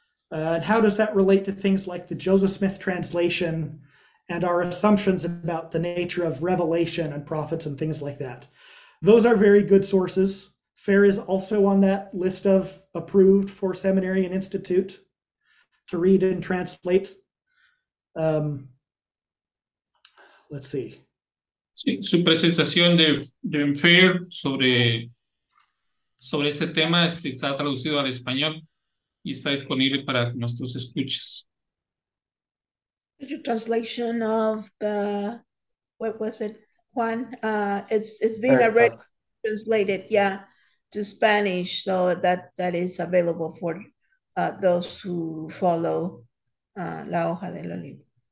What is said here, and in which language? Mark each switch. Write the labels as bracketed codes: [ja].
[en] And how does that relate to things like the Joseph Smith translation and our assumptions about the nature of revelation and prophets and things like that? Those are very good sources. FAIR is also on that list of approved for seminary and institute to read and translate. Let's see. [es] Sí, su presentación de FAIR sobre este tema está traducido al español y está disponible para nuestros escuchas. [en] Your translation of the, what was it, Juan? It's been already translated, yeah, to Spanish, so that is available for those who follow La Hoja del Olivo.